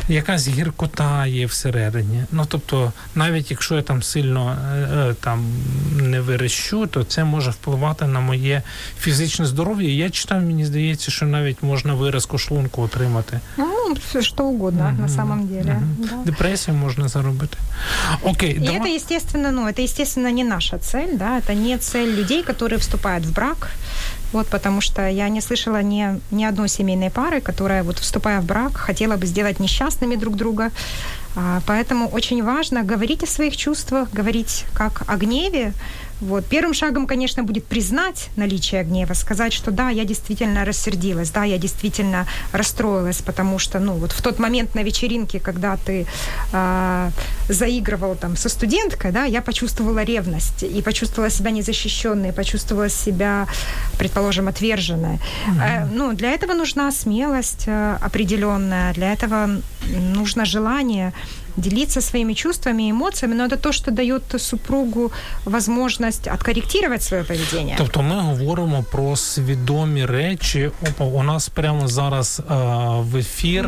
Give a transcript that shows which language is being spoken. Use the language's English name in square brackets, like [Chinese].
[Ukrainian] Якась гіркота є всередині. Ну, тобто, навіть якщо я там сильно там не верещу, то це може впливати на моє фізичне здоров'я. Я читав, мені здається, що навіть можна виразку шлунку отримати. [Russian] Ну, все, що угодно, на самом деле. Да. [Ukrainian] Депресію можна заробити. Окей, і це, звісно, ну, не наша цель, да? Це не цель людей, які вступають в брак. [Russian] Вот, потому что я не слышала ни одной семейной пары, которая, вот, вступая в брак, хотела бы сделать несчастными друг друга. Поэтому очень важно говорить о своих чувствах, говорить как о гневе. Вот. Первым шагом, конечно, будет признать наличие гнева, сказать, что да, я действительно рассердилась, да, я действительно расстроилась, потому что, ну, вот в тот момент на вечеринке, когда ты заигрывал там со студенткой, да, я почувствовала ревность и почувствовала себя незащищенной, почувствовала себя, предположим, отверженной. Mm-hmm. Ну, для этого нужна смелость определенная, для этого нужно желание делиться своими чувствами и эмоциями, но это то, что дает супругу возможность откорректировать свое поведение. [Ukrainian] Тобто [Russian] мы говорим [Ukrainian] про свідомі речі. Опа, у нас прямо зараз в ефір.